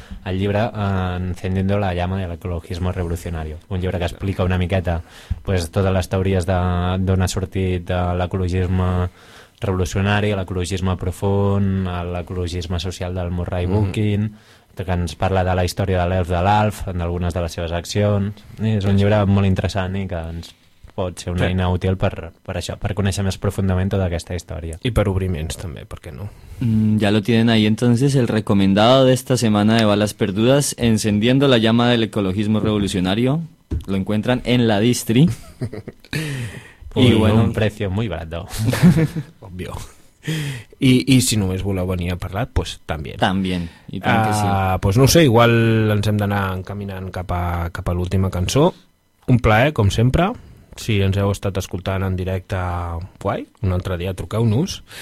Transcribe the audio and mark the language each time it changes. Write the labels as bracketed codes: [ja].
[ca] el llibre Encendiendo la llama de l'ecologismo revolucionario, un llibre que explica una miqueta totes les teories d'on ha sortit l'ecologisme revolucionari, l'ecologisme profund, l'ecologisme social del Murray Bookchin, que ens parla de la història de l'Elf de l'Alf, d'algunes de les seves accions. És un llibre molt interessant i que ens pot ser una eina útil per això, per conèixer més profundament tota aquesta història. I per obriments també, per què no? [es] Ya lo tienen ahí entonces, el recomendado de esta semana de Balas Perdudas, Encendiendo la llama del ecologismo revolucionario, lo encuentran en la Distri. Y bueno, un precio muy barato. Obvio. [ca] I si només voleu venir a parlar, doncs també. Doncs no ho sé, igual ens hem d'anar encaminant cap a l'última cançó. Un plaer, com sempre. Si ens heu estat escoltant en directe, guai, un altre dia truqueu-nos.